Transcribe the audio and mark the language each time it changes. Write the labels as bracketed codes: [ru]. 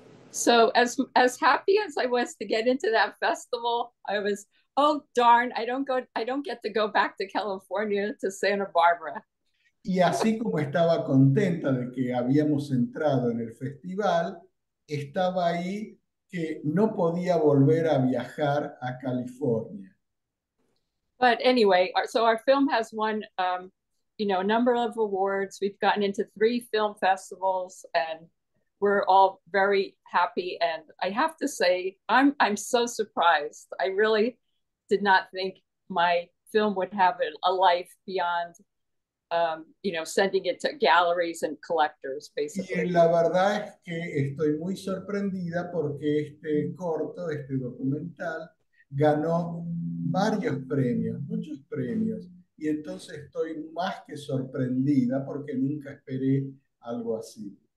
[en] So as happy as I was to get into that festival, I was, oh darn, I don't get to go back to California to Santa Barbara. [es] Y así como estaba contenta de que habíamos entrado en el festival, estaba ahí que no podía volver a viajar a California. [en] Anyway, so our film has won, a number of awards. We've gotten into three film festivals and we're all very happy, and I have to say, I'm so surprised. I really did not think my film would have a life beyond, sending it to galleries and collectors, [es] Y [en] basically. [es] la verdad es que estoy muy sorprendida porque este corto, este documental, ganó varios premios, muchos premios. Y entonces estoy más que sorprendida porque nunca esperé algo así.